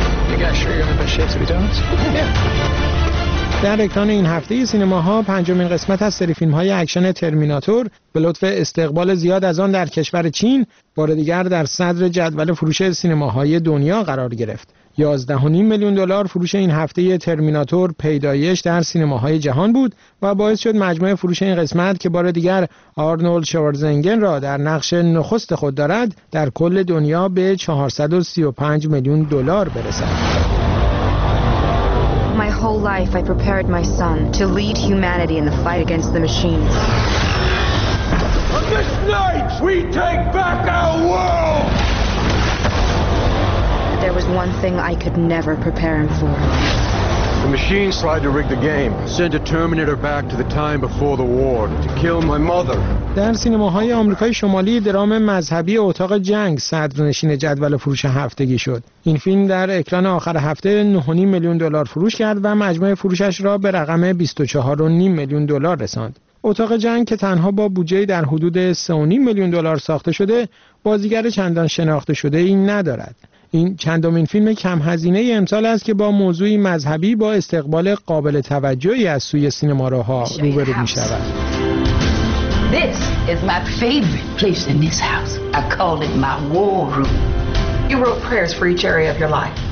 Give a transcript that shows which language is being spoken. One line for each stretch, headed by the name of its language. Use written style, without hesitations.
English: You guys sure you have the shapes of your donuts? Yeah.
Persian: در اکران این هفته سینماها پنجمین قسمت از سری فیلم‌های اکشن ترمیناتور به لطف استقبال زیاد از آن در کشور چین بار دیگر در صدر جدول فروش سینماهای دنیا قرار گرفت. 11.5 میلیون دلار فروش این هفته ترمیناتور پیدایش در سینماهای جهان بود و باعث شد مجموع فروش این قسمت که بار دیگر آرنولد شوارزنگر را در نقش نخست خود دارد در کل دنیا به 435 میلیون دلار برسد.
English: My whole life I prepared my son to lead humanity in the fight against the machines. On this night, we take back our world! There was one thing I could never prepare him for. The machines tried to rig the game, send a Terminator back to the time before the war to kill my mother.
Persian: در سینماهای آمریکای شمالی درام مذهبی اتاق جنگ صدرنشین جدول فروش هفتگی شد. این فیلم در اکران آخر هفته 9.5 میلیون دلار فروش کرد و مجموع فروشش را به رقم 24.5 میلیون دلار رساند. اتاق جنگ که تنها با بودجه در حدود 3.5 میلیون دلار ساخته شده، بازیگر چندان شناخته شده ای ندارد. این چندمین فیلم کم هزینه امسال است که با موضوعی مذهبی با استقبال قابل توجهی از سوی سینماروها روبرو می شود.
English: This is my favorite place in this house. I call it my war room. You wrote prayers for each area of your life.